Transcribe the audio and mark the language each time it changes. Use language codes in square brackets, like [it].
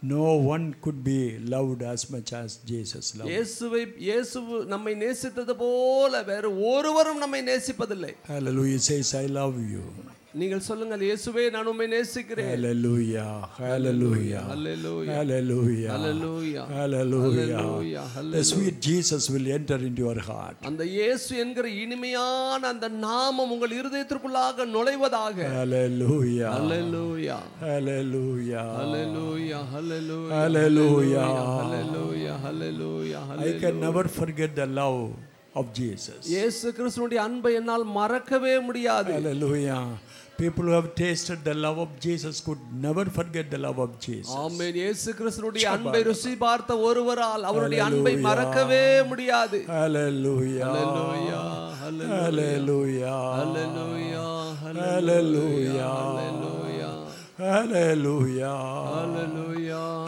[en] No one could be loved as much as Jesus loved. [ta] இயேசுவை நம்மை நேசித்தது போல வேறு ஒருவரும் நம்மை நேசிப்பதில்லை. [en] Hallelujah. Says I love you. [ta] நீங்கள் சொல்லுங்கள், இயேசுவே நான் உம்மை நேசிக்கிறேன். Hallelujah. Hallelujah. Hallelujah. Hallelujah. Hallelujah. Hallelujah. [en] The sweet Jesus will enter into your heart. [ta] அந்த இயேசு என்கிற இனிமையான அந்த நாமம் உங்கள் இருதயத்திற்குள்ளாக நுழைவதாக. Hallelujah. Hallelujah. Hallelujah. Hallelujah. Hallelujah. Hallelujah. Hallelujah. Hallelujah. [en] I can never forget the love of Jesus. [ta] இயேசு கிறிஸ்துவின் அன்பை என்னால் மறக்கவே முடியாது. Hallelujah. [en] People who have tasted the love of Jesus could never forget the love of Jesus. Amen. [ta] இயேசு கிறிஸ்துவின் அன்பை ருசி பார்த்த ஒருவரால் அவருடைய அன்பை மறக்கவே முடியாது. Hallelujah. Hallelujah. Hallelujah. Hallelujah. Hallelujah. Hallelujah. Hallelujah. Hallelujah.